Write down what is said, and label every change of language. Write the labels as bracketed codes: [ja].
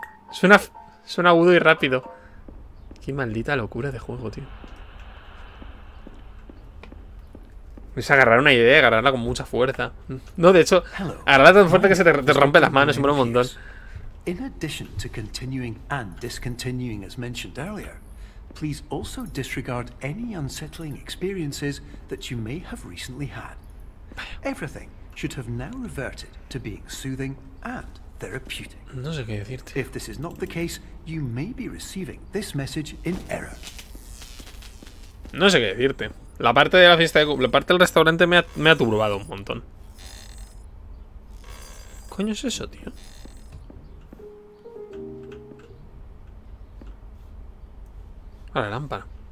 [es] Suena agudo y rápido. Qué maldita locura de juego, tío. Es agarrar una idea, agarrarla con mucha fuerza. No, de hecho, agarrarla tan fuerte que se te rompe las manos y muere un montón. [en] In addition to continuing and discontinuing as mentioned earlier, please also disregard any unsettling experiences that you may have recently had. Everything should have now reverted to being soothing and therapeutic. [es] No sé qué decirte. [en] If this is not the case, you may be receiving this message in error. [es] No sé qué decirte. La parte de la fiesta de la parte del restaurante me ha turbado un montón. ¿Qué coño es eso, tío? A la lámpara.